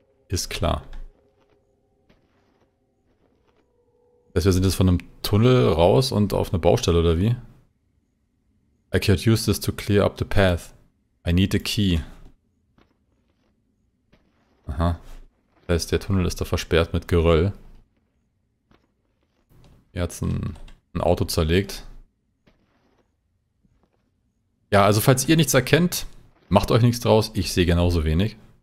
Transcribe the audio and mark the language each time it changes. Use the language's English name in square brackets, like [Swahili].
[German] Ist klar. Also wir sind jetzt von einem Tunnel raus und auf eine Baustelle, oder wie? [English] I could use this to clear up the path. I need a key. [German] Aha. Das heißt, der Tunnel ist da versperrt mit Geröll. Hier hat es ein Auto zerlegt. Ja, also falls ihr nichts erkennt, macht euch nichts draus. Ich sehe genauso wenig.